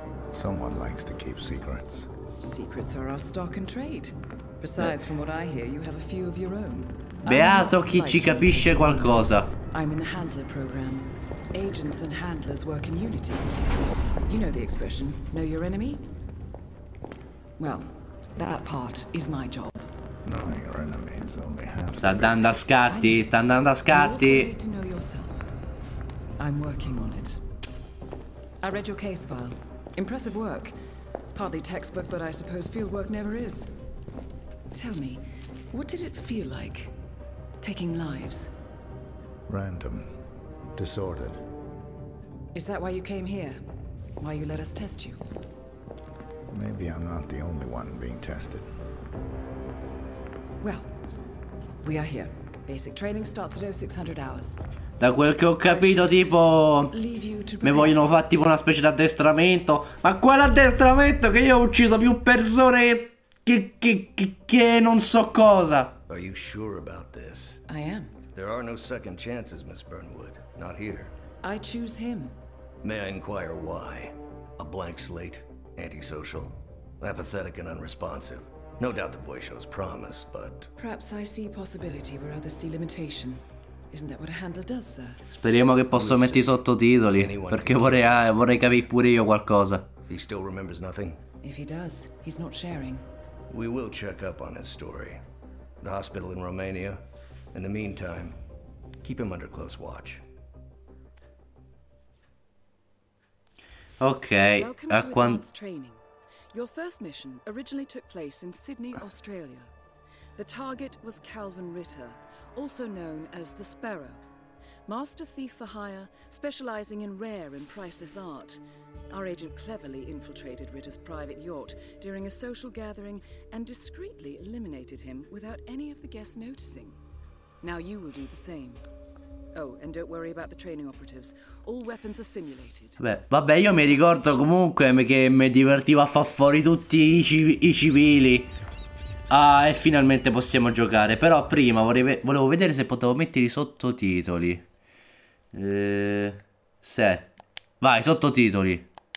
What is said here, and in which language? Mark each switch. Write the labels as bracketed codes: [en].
[en] Someone likes to keep secrets. Secrets are our stock and trade. Besides, from what I hear, you have a few of your own. [it] Beato chi ci capisce qualcosa. [en] I'm in the handler program. Agents and handlers work in unity. You know the expression, know your enemy? Well, that part is my job. No, your enemy is only half. [it] Sta andando a scatti, sta andando a scatti. [en] You also need to know yourself. I'm working on it. I read your case file. Impressive work. Partly textbook, but I suppose field work never is. Tell me, what did it feel like taking lives? Random. Disordered. Is that why you came here? Why you let us test you? Maybe I'm not the only one being tested. Well, we are here. Basic training starts at 0600 hours. [it] Da quel che ho capito, tipo, mi vogliono fare tipo una specie di addestramento. Ma quale addestramento? Che io ho ucciso più persone che non so cosa. [en] Are you sure about this? I am. There are no second chances, Miss Burnwood. Not here. I choose him. May I inquire why? A blank slate? Antisocial, apathetic and unresponsive. No doubt the boy shows promise, but... Perhaps I see possibility where others see limitation. Isn't that what a handler does, sir? [it] Speriamo che posso metti i sottotitoli, perché vorrei capire pure io qualcosa. [en] He still remembers nothing? If he does, he's not sharing. We will check up on his story. The hospital in Romania. In the meantime, keep him under close watch. Ok, welcome to advanced training. Your first mission originally took place in Sydney, Australia. The target was Calvin Ritter, also known as the Sparrow. Master thief for hire, specializing in rare and priceless art. Our agent cleverly infiltrated Ritter's private yacht during a social gathering and discreetly eliminated him without any of the guests noticing. Now you will do the same. Oh, and don't worry about the training operatives. All weapons are simulated. [it] Vabbè, io mi ricordo comunque che mi divertivo a far fuori tutti i civili. Ah, e finalmente possiamo giocare. Però prima volevo vedere se potevo mettere i sottotitoli. Vai, sottotitoli.